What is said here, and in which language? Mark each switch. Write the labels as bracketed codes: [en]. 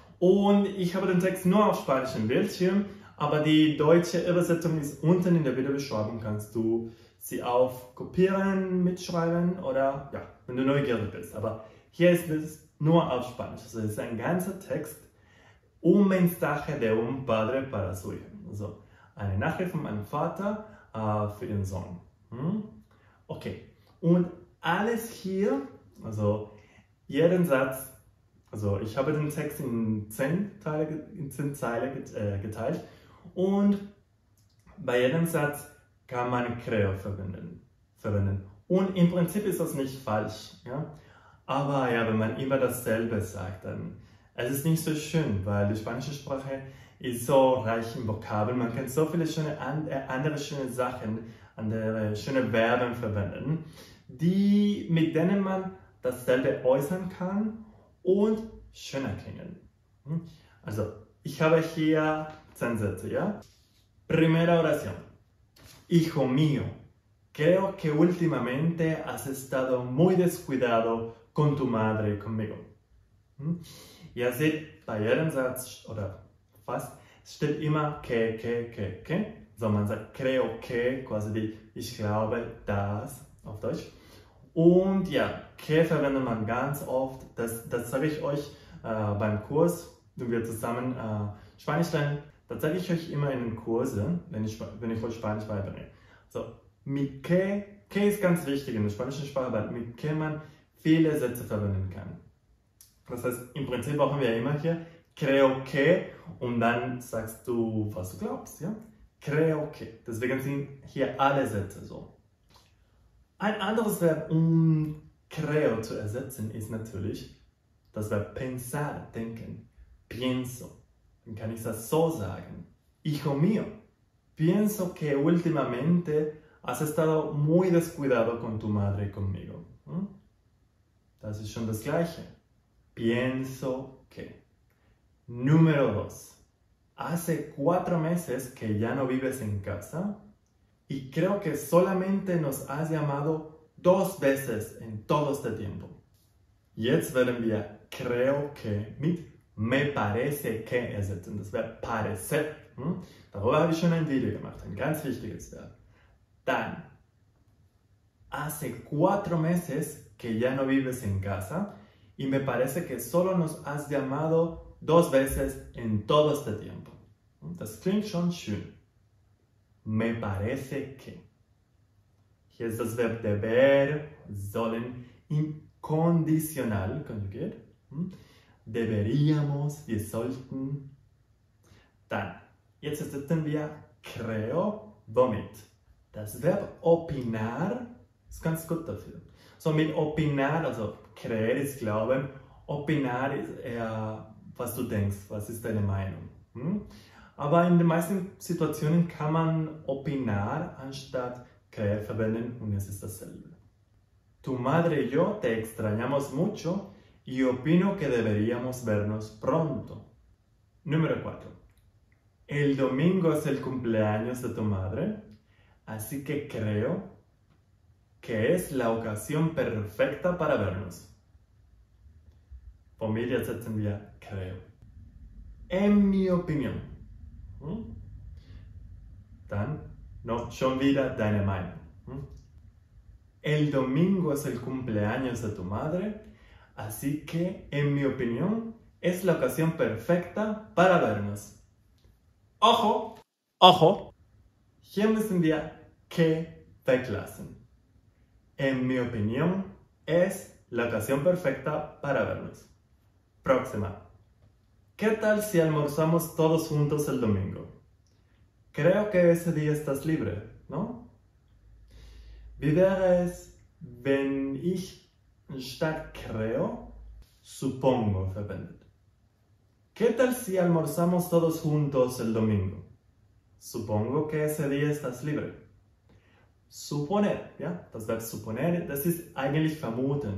[de] Und ich habe den Text nur auf Spanisch im Bildschirm, aber die deutsche Übersetzung ist unten in der Videobeschreibung, kannst du sie auf kopieren, mitschreiben oder ja, wenn du neugierig bist. Aber hier ist es nur auf Spanisch. Also es ist ein ganzer Text. [es] Un mensaje de un padre para su hijo. [de] Also eine Nachricht von meinem Vater für den Sohn. Hm? Okay. Und alles hier, also jeden Satz, also ich habe den Text in 10 Zeilen geteilt und bei jedem Satz kann man Creo verwenden. Und im Prinzip ist das nicht falsch. Ja? Aber ja, wenn man immer dasselbe sagt, dann es ist nicht so schön, weil die spanische Sprache ist so reich in Vokabeln. Man kann so viele schöne andere schöne Sachen, andere schöne Verben verwenden, die, mit denen man dasselbe äußern kann und schöner klingen. Also, ich habe hier 10 Sätze. [es] Ja? Primera oración. Hijo mío, creo que últimamente has estado muy descuidado con tu madre y conmigo. [de] Ihr seht, bei jedem Satz oder fast steht immer que. So, man sagt creo que, quasi wie ich glaube das auf Deutsch. Und ja, que verwendet man ganz oft. Das sage ich euch beim Kurs, wenn wir zusammen Spanisch lernen. Das sage ich euch immer in den Kursen, wenn ich euch Spanisch beibringe. So, mi que ist ganz wichtig in der spanischen Sprache, weil mit que man viele Sätze verwenden kann. Das heißt, im Prinzip brauchen wir immer hier creo que und dann sagst du, was du glaubst. Ja? [es] Creo que. [de] Deswegen sind hier alle Sätze so. Ein anderes Verb, um creo zu ersetzen, ist natürlich das Verb pensar, denken. Pienso. Dann kann ich das so sagen. [es] Hijo mío, pienso que últimamente has estado muy descuidado con tu madre y conmigo. [de] Das ist schon das Gleiche. [es] Pienso que. Número dos. Hace 4 meses que ya no vives en casa y creo que solamente nos has llamado 2 veces en todo este tiempo. [de] Jetzt werden wir creo que mit me parece que ersetzen. Das Verb parece. Hm? Darüber habe ich schon ein Video gemacht. Ein ganz wichtiges Verb. Dann. Hace 4 meses que ya no vives en casa y me parece que solo nos has llamado 2 veces en todo este tiempo. Das klingt schon schön. [es] Me parece que. [de] Hier ist das Verb deber, sollen, im Kondicional konjugiert. Hm? Deberíamos, wir sollten. Dann, jetzt ersetzen wir creo womit. Das Verb opinar ist ganz gut dafür. So mit opinar, also creer ist glauben, opinar ist eher, was du denkst, was ist deine Meinung. Hm? Aber in den meisten Situationen kann man opinar anstatt creer verwenden und es ist dasselbe. [es] Tu madre y yo te extrañamos mucho. Y opino que deberíamos vernos pronto. Número 4. El domingo es el cumpleaños de tu madre, así que creo que es la ocasión perfecta para vernos. [de] Von mir jetzt setzen wir creo. [es] En mi opinión. [de] Dann noch schon wieder deine Meinung. [es] El domingo es el cumpleaños de tu madre, así que, en mi opinión, es la ocasión perfecta para vernos. ¡Ojo! ¡Ojo! [de] Hier müssen wir que weglassen. [es] En mi opinión, es la ocasión perfecta para vernos. Próxima. ¿Qué tal si almorzamos todos juntos el domingo? Creo que ese día estás libre, ¿no? [de] Wie wäre es, wenn ich statt creo, supongo verwendet? [es] ¿Qué tal si almorzamos todos juntos el domingo? Supongo que ese día estás libre. [de] Suponer, ja, das Verb suponer, das ist eigentlich vermuten.